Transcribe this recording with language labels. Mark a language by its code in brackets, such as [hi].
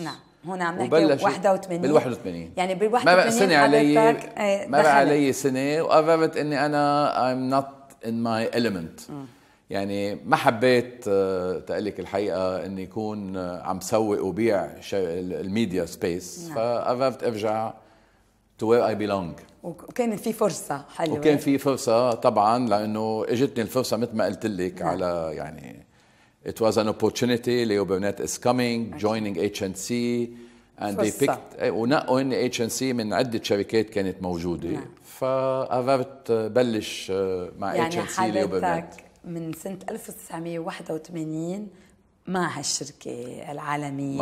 [ar] نعم. هنا عم نحكي 81 بال 81 يعني بال 81 مرق سنة علي سنة، وقررت أني أنا [en] I'm not in my element. [ar] يعني ما حبيت تقلك الحقيقة أن يكون عم سوق وبيع الميديا سبيس. نعم. فقررت أرجع [en] to where I belong. [ar] وكان في فرصة حلوة، وكان في فرصة طبعا، لأنه اجتني الفرصة مثل ما قلتلك. نعم. على يعني [en] it was an opportunity. Leo Burnett is coming. Okay. joining HNC and [ar] فرصة. [en] They picked [ar] ونقوا إن HNC من عدة شركات كانت موجودة. نعم. فقررت بلش مع HNC. يعني حالتك من سنة 1981 مع هالشركة العالمية.